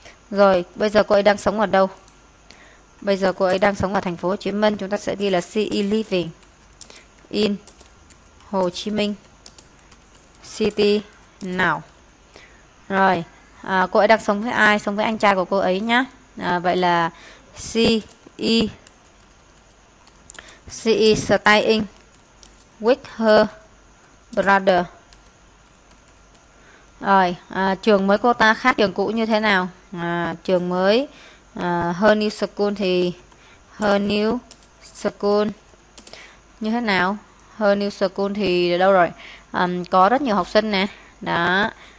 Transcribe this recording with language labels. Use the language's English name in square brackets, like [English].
[Vietnamese] Rồi, bây giờ cô ấy đang sống ở đâu? Bây giờ cô ấy đang sống ở thành phố Hồ Chí Minh. Chúng ta sẽ ghi là [English] she is living in Hồ Chí Minh City now. [Vietnamese] Rồi, cô ấy đang sống với ai? Sống với anh trai của cô ấy nhá. Vậy là [English] she is staying with her brother. [Vietnamese] Rồi, trường mới cô ta khác trường cũ như thế nào? Trường mới, [English] her new school [Vietnamese] thì her new school như thế nào? [English] Her new school [Vietnamese] thì đâu rồi? Có rất nhiều học sinh nè. Đó.